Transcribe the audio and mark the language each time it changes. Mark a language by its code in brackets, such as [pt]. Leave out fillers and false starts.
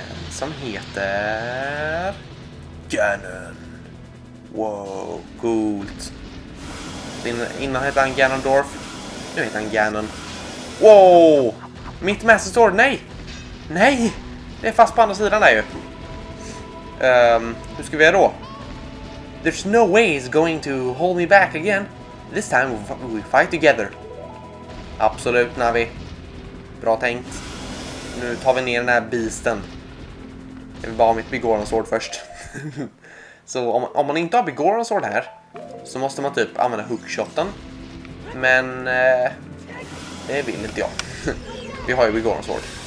[sv] Som heter... Ganon. Wow, coolt. Innan hette han Ganondorf. Nu heter han Ganon. Wow! Mitt Master Sword, nej! Nej! Det är fast på andra sidan där ju. Hur ska vi göra då? [en] There's no way he's going to hold me back again. This time we fight together. [sv] Absolut, Navi. Bra tänkt. Nu tar vi ner den här beasten. Jag vill bara ha mitt Begorons sword först. Så om man inte har Begorons sword här. Så måste man typ använda hookshotten. Men. Det vill inte jag. Vi har ju Begorons sword.